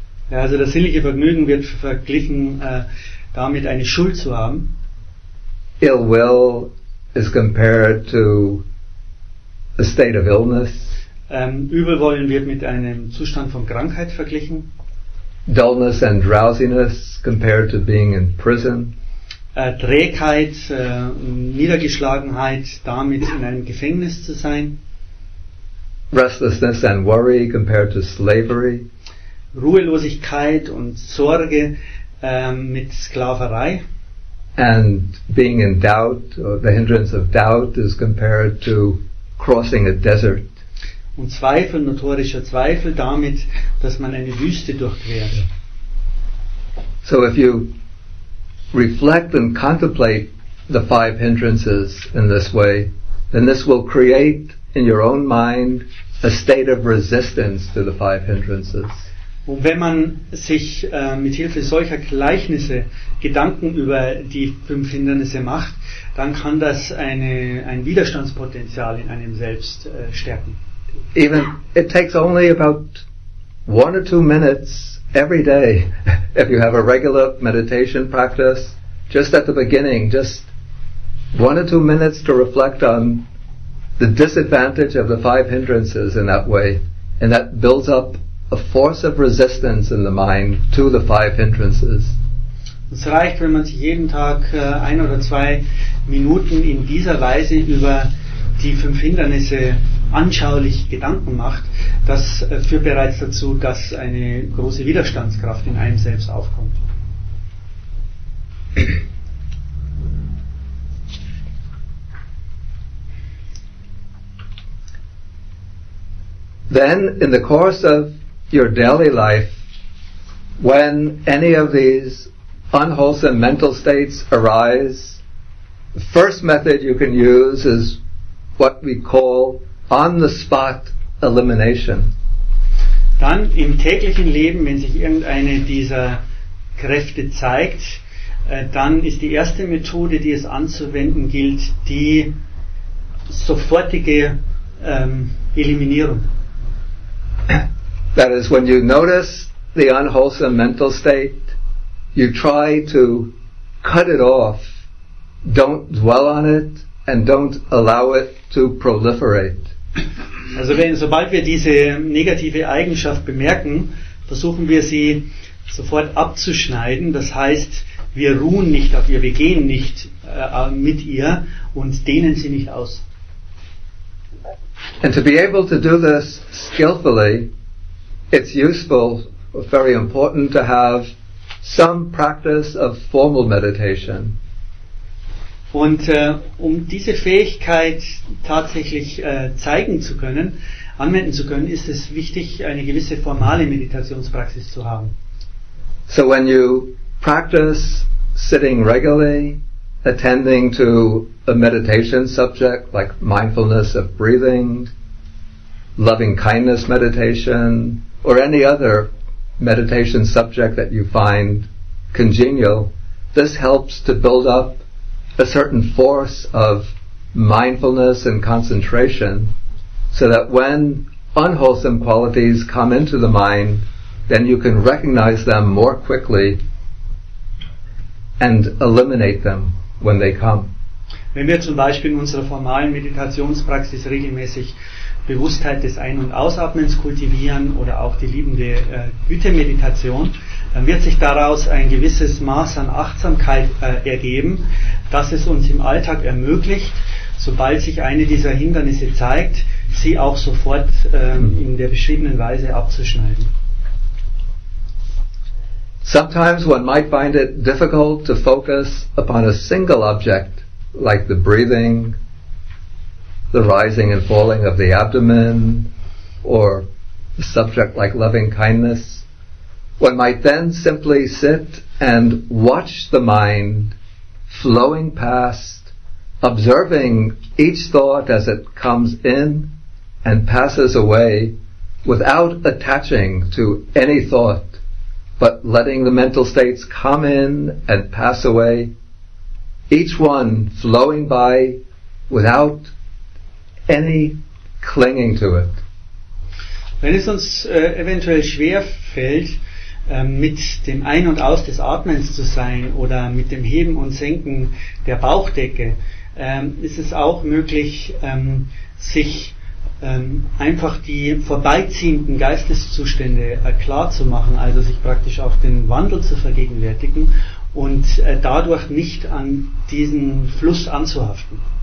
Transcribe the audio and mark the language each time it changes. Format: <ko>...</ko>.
<de>Ja, also das sinnliche Vergnügen wird verglichen damit, eine Schuld zu haben.</de> <en>Ill will is compared to a state of illness.</en> <de>Übelwollen wird mit einem Zustand von Krankheit verglichen.</de> <en>Dullness and drowsiness compared to being in prison.</en> <de>Trägheit, Niedergeschlagenheit, damit in einem Gefängnis zu sein.</de> <en>Restlessness and worry compared to slavery.</en> <de>Ruhelosigkeit und Sorge mit Sklaverei.</de> <en>And being in doubt, or the hindrance of doubt, is compared to crossing a desert.</en> <de>Und Zweifel, notorischer Zweifel, damit, dass man eine Wüste durchquert.</de> <en>So if you reflect and contemplate the five hindrances in this way, then this will create in your own mind a state of resistance to the five hindrances.</en> <de>Und wenn man sich mit Hilfe solcher Gleichnisse Gedanken über die fünf Hindernisse macht, dann kann das ein Widerstandspotenzial in einem selbst stärken.</de> <en>Even it takes only about 1 or 2 minutes every day, if you have a regular meditation practice, just at the beginning, just 1 or 2 minutes to reflect on the disadvantage of the five hindrances in that way, and that builds up a force of resistance in the mind to the five hindrances.</en> <de>Es reicht, wenn man sich jeden Tag 1 oder 2 Minuten in dieser Weise über die fünf Hindernisse anschaulich Gedanken macht, das führt bereits dazu, dass eine große Widerstandskraft in einem selbst aufkommt.</de> <en>Then, in the course of your daily life, when any of these unwholesome mental states arise, the first method you can use is what we call on-the-spot elimination.</en> <de>Dann im täglichen Leben, wenn sich irgendeine dieser Kräfte zeigt, dann ist die erste Methode, die es anzuwenden gilt, die sofortige Eliminierung.</de> <en>That is, when you notice the unwholesome mental state, you try to cut it off, don't dwell on it, and don't allow it to proliferate.</en> <de>Also sobald wir diese negative Eigenschaft bemerken, versuchen wir sie sofort abzuschneiden. Das heißt, wir ruhen nicht auf ihr, wir gehen nicht mit ihr und dehnen sie nicht aus.</de> <en>And to be able to do this skillfully, it's useful, very important to have some practice of formal meditation.</en> <de>Und um diese Fähigkeit tatsächlich zeigen zu können, anwenden zu können, ist es wichtig, eine gewisse formale Meditationspraxis zu haben.</de> <en>So when you practice sitting regularly, attending to a meditation subject like mindfulness of breathing, loving kindness meditation, or any other meditation subject that you find congenial, this helps to build up a certain force of mindfulness and concentration, so that when unwholesome qualities come into the mind, then you can recognize them more quickly and eliminate them when they come.</en> <de>Wenn wir zum Beispiel in unserer formalen Meditationspraxis regelmäßig Bewusstheit des Ein- und Ausatmens kultivieren oder auch die liebende Güte-Meditation, dann wird sich daraus ein gewisses Maß an Achtsamkeit ergeben, das es uns im Alltag ermöglicht, sobald sich eine dieser Hindernisse zeigt, sie auch sofort in der beschriebenen Weise abzuschneiden.</de> <en>Sometimes one might find it difficult to focus upon a single object, like the breathing, the rising and falling of the abdomen, or a subject like loving kindness. One might then simply sit and watch the mind flowing past, observing each thought as it comes in and passes away without attaching to any thought, but letting the mental states come in and pass away, each one flowing by without any clinging to it.</en> <de>Wenn es uns eventuell schwer fällt, mit dem Ein- und Aus des Atmens zu sein oder mit dem Heben und Senken der Bauchdecke, ist es auch möglich, sich einfach die vorbeiziehenden Geisteszustände klar zu machen, also sich praktisch auch den Wandel zu vergegenwärtigen und dadurch nicht an diesen Fluss anzuhaften.</de>